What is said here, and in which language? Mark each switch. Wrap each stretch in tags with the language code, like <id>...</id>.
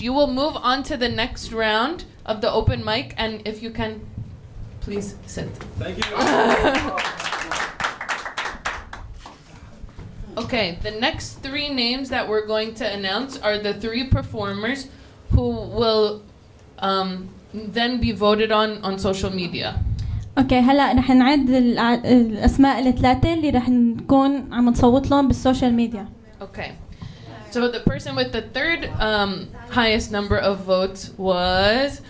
<en>You will move on to the next round of the open mic, and if you can, please sit. Thank you. Okay, the next three names that we're going to announce are the three performers who will then be voted on social media.</en> <ar>Okay, هلا رح نعد الأسماء الثلاثة اللي رح نكون عم نصوت لهم بالسوشيال ميديا.</ar> <en>Okay, so the person with the third highest number of votes was.</en>